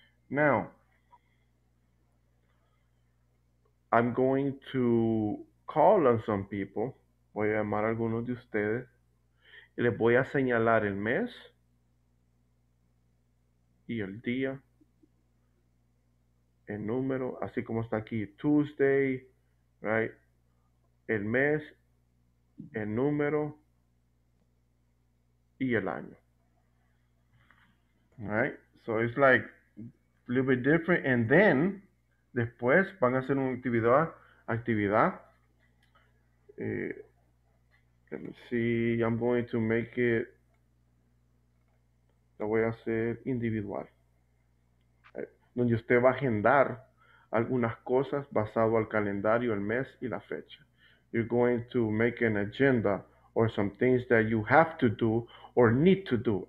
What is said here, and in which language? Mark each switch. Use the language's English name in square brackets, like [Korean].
[English] Now, I'm going to call on some people. [Spanish] Voy a llamar a algunos de ustedes. Y les voy a señalar el mes y el día, el número, así como está aquí, Tuesday, right? El mes, el número y el año. [English] Right? So it's like a little bit different. And then, [Spanish] después van a hacer una actividad. [English] Let me see. I'm going to make it [Spanish] la voy a hacer individual. Donde usted va a agendar algunas cosas basado al calendario, el mes y la fecha. [English] You're going to make an agenda or some things that you have to do or need to do.